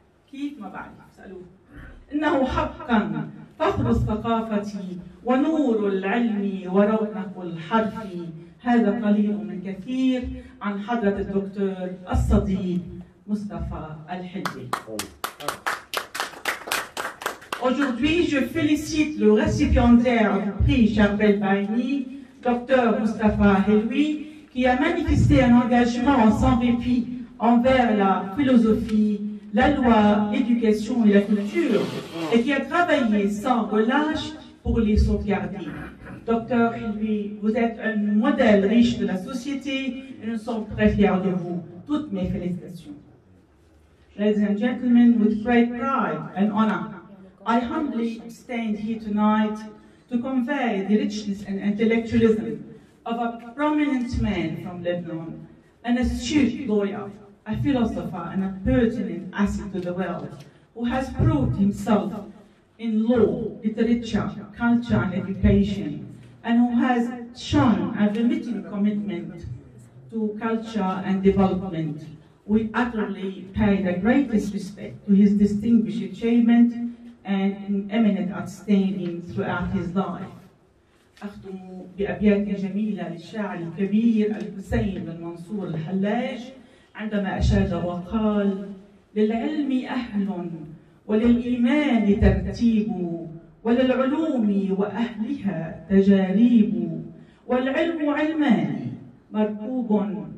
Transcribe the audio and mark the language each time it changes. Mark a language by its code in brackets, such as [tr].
[ar] كيف ما بعرف أسألوه. إنه حقا فخر الثقافة ونور العلم ورونق الحرف. هذا قليل من كثير عن حضرة الدكتور الصديق مصطفى الحلوي. [fr] Aujourd'hui, je félicite le récipiendaire du prix Charbel Baini, Dr Mustafa Helwi, qui a manifesté un engagement sans répit envers la philosophie, la loi, l'éducation et la culture, et qui a travaillé sans relâche pour les sauvegarder. Docteur Helwi, vous êtes un modèle riche de la société et nous sommes très fiers de vous. Toutes mes félicitations. [en] Ladies and gentlemen, with great pride and honor, I humbly stand here tonight to convey the richness and intellectualism of a prominent man from Lebanon, an astute lawyer, a philosopher, and a pertinent asset to the world, who has proved himself in law, literature, culture, and education, and who has shown a remitting commitment to culture and development. We utterly pay the greatest respect to his distinguished achievement and eminent outstanding throughout his life. [ar] أختم بأبيات جميلة للشاعر الكبير الحسين بن منصور الحلاج عندما أشاد وقال: للعلم أهل وللإيمان ترتيب وللعلوم وأهلها تجاريب والعلم علمان مركوب